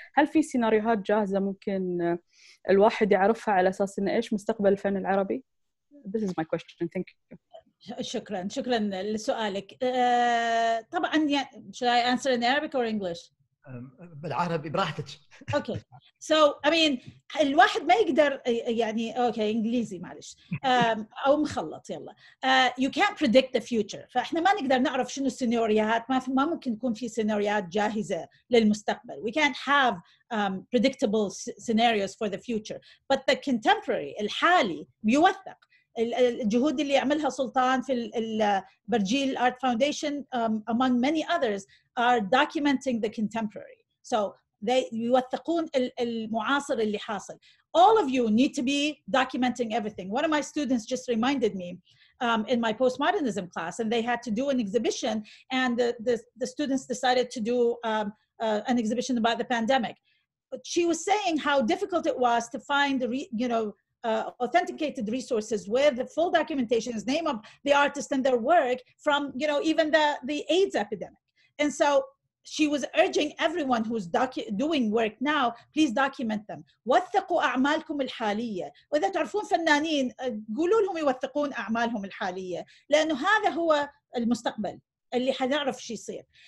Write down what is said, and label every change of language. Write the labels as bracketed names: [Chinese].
[Arabic] هل في سيناريوهات جاهزة ممكن الواحد يعرفها على أساس أنه إيش مستقبل الفن العربي؟ [English] This is my question. Thank you. [Arabic] شكرا لسؤالك. طبعا [English] should I answer in Arabic or English? [Arabic] بالعربي براحتك. [English] Okay, so I mean [Arabic] الواحد ما يقدر يعني [English] okay [Arabic] انجليزي معلش او مخلط يلا. [English] You can't predict the future, [Arabic] فاحنا ما نقدر نعرف شنو السيناريوهات, ما ممكن يكون في سيناريوهات جاهزه للمستقبل. [English] We can't have predictable scenarios for the future, but the contemporary [Arabic] الحالي بيوثق. الجهود اللي يعملها سلطان في البرجيل [English] Art Foundation among many others are documenting the contemporary. So they [Arabic] يوثقون المعاصر اللي حاصل. [English] All of you need to be documenting everything. One of my students just reminded me in my postmodernism class, and they had to do an exhibition, and the students decided to do an exhibition about the pandemic. But she was saying how difficult it was to find authenticated resources with the full documentation, the name of the artist and their work from, you know, even the AIDS epidemic. And so she was urging everyone who's doing work now, please document them. [Arabic] وثقوا أعمالكم الحالية. وإذا تعرفون فنانين قولوا لهم يوثقون أعمالهم الحالية, لأنه هذا هو المستقبل اللي حنعرف شي يصير.